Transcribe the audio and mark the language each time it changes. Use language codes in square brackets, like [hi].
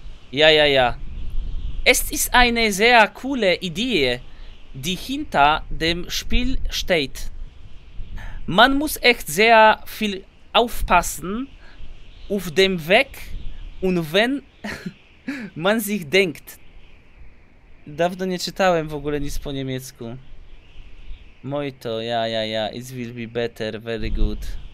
[de] Ja. Es ist eine sehr coole Idee, die hinter dem Spiel steht. Man muss echt sehr viel aufpassen auf dem Weg und wenn man sich denkt. [pl] Dawno nie czytałem w ogóle nic po niemiecku. Moito, ja. [en] It will be better, very good.